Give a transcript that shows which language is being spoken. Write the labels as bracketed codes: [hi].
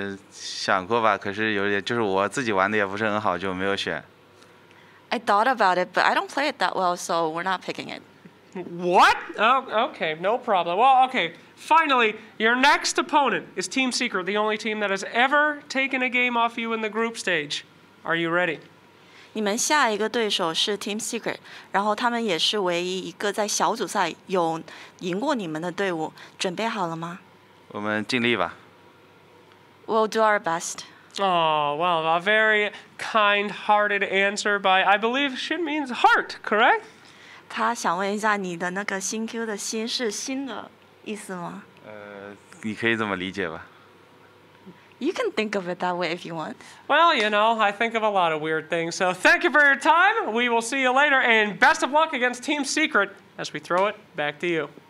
[zh] 想过吧，可是有点，就是我自己玩的也不是很好，就没有选。 [en] I thought about it, but I don't play it that well, so we're not picking it. What? Oh, okay, no problem. Well, okay, finally, your next opponent is Team Secret, the only team that has ever taken a game off you in the group stage. Are you ready? [zh] 你们下一个对手是 Team Secret, 然后他们也是唯一一个在小组赛有赢过你们的队伍，准备好了吗？我们尽力吧。 [en] We'll do our best. Oh, well, a very kind-hearted answer by, I believe, Shin means heart, correct? [zh] 他想问一下你的那个心 Q 的心是心的意思吗？你可以这么理解吧。 [en] You can think of it that way if you want. Well, you know, I think of a lot of weird things, so thank you for your time. We will see you later, and best of luck against Team Secret as we throw it back to you.